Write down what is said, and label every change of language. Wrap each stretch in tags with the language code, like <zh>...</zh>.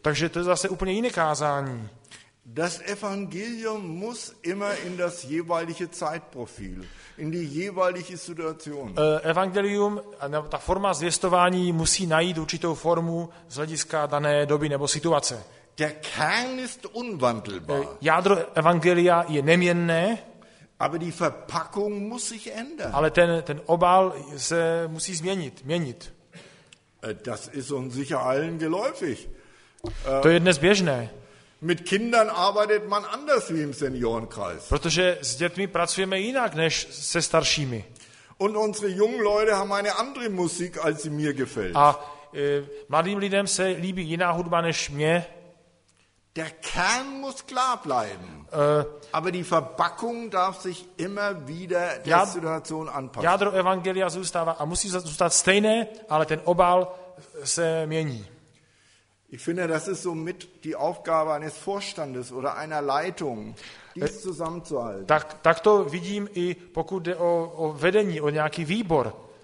<cs>Takže to je zase úplně jiné kázání.</cs> <de>Das Evangelium muss immer in das jeweilige Zeitprofil, in die jeweilige Situation.</de> <cs>Evangelium, ta forma zvěstování musí najít určitou formu z hlediska dané doby nebo situace.</cs> <de>Der Kern ist unwandelbar.</de> <cs>Jádro evangelia je neměnné.</cs> <de>Aber die Verpackung muss sich ändern.</de> <cs>Ale ten obal se musí změnit.</cs> <de>Das ist uns sicher allen geläufig.</de> <cs>To je dnes běžné.</cs> <de>Mit Kindern arbeitet man anders wie im Seniorenkreis.</de> <cs>Protože s dětmi pracujeme jinak než se staršími.</cs> <de>Und unsere jungen Leute haben eine andere Musik, als sie mir gefällt.</de> <cs>A mladým lidem se líbí jiná hudba než mě.</cs> <de>Der Kern muss klar bleiben. Aber die Verpackung darf sich immer wieder der Situation anpassen.</de> <cs>Jádro evangelia zůstává a musí zůstat stejné, ale ten obal se mění.</cs> <de>Ich finde, das ist so mit die Aufgabe eines Vorstandes oder einer Leitung, dies zusammenzuhalten.</de> <cs>Tak to vidím i pokud jde o vedení, o nějaký výbor.</cs>